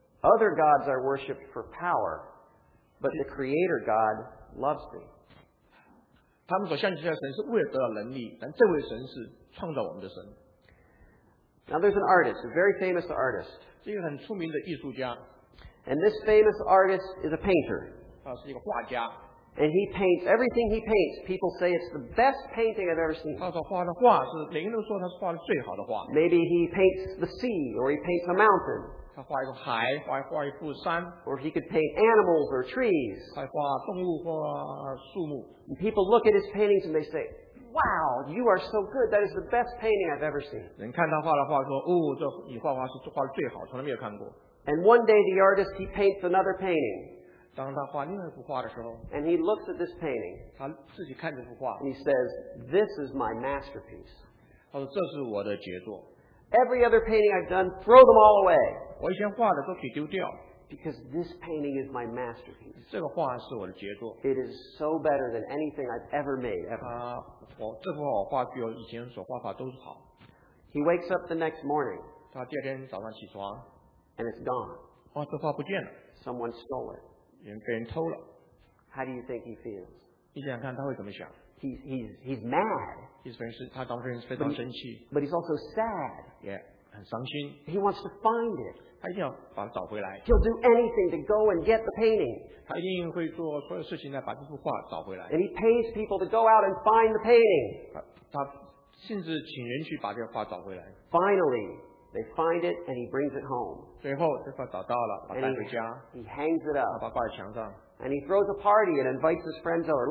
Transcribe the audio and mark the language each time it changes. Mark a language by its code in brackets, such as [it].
[en] Other gods are worshipped for power, but the creator God loves me. [zh] 他们所相信的神是为了得到能力，但这位神是创造我们的神。 [en] Now there's an artist, a very famous artist. [zh] 是一个很出名的艺术家。 [en] And this famous artist is a painter. [zh] 他是一个画家。 [en] And he paints, everything he paints, people say it's the best painting I've ever seen. [zh] 他所画的画是，每个人都说他是画的最好的画。 [en] Maybe he paints the sea, or he paints a mountain. [zh] 他画一个海，画一幅山。 [en] Or he could paint animals or trees. [zh] 他画动物或树木。 [en] And people look at his paintings and they say, Wow, you are so good. That is the best painting I've ever seen. [zh] 人看他画的画说，哦，这你画画是画的最好，从来没有看过。 [en] And one day the artist, he paints another painting. [zh] 当他画另一幅画的时候, [en] and he looks at this painting. [zh] 他自己看这幅画, [en] and he says, This is my masterpiece. [zh] 他说, [en] Every other painting I've done, throw them all away. [zh] 我以前画的都给丢掉, [en] because this painting is my masterpiece. [zh] 这个画是我的杰作, [en] it is so better than anything I've ever made. Ever. [zh] 这幅画我画具有以前所画法都是好。 [en] He wakes up the next morning. [zh] 他第二天早上起床, [en] and it's gone. [zh] 哇,这幅画不见了, [en] someone stole it. [zh] 人被人偷了, [en] How do you think he feels? [zh] 你想想看他会怎么想? [en] He's mad. But he's also sad. [zh] Yeah, 很伤心, [en] he wants to find it. [zh] 他一定要把它找回来, [en] he'll do anything to go and get the painting. [zh] 他一定会做所有事情来把这幅画找回来, [en] and he pays people to go out and find the painting. [zh] 他甚至请人去把这幅画找回来, [en] finally, they find it and he brings it home. [zh] 最后这块找到了, [en] and he hangs it up. [zh] 把它挂在墙上, [en] and he throws a party and invites his friends over.